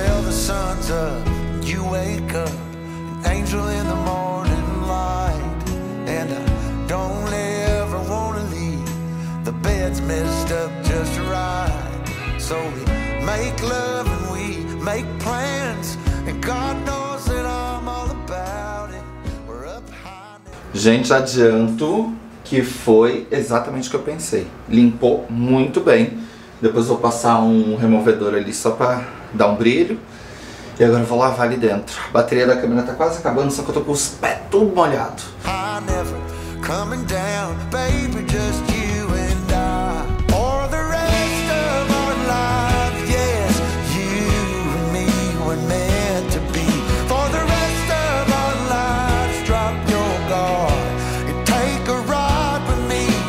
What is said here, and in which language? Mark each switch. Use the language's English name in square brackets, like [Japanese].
[English] wake up, angel in the morning light. And I don't ever wanna leave. The bed's messed up just right. So we make love and we make plans, and God knows that I'm all about it. We're up high now. [Portuguese] Gente, adianto que foi exatamente o que eu pensei. Limpou muito bem. Depois vou passar um removedor ali só pra dar um brilho. E agora eu vou lavar ali dentro. A bateria da câmera tá quase acabando, só que eu tô com os pés tudo molhado. [English] I never coming down, baby, just you and I. Or the rest of our lives, yes. You and me were meant to be. For the rest of our lives, drop your guard and take a ride with me.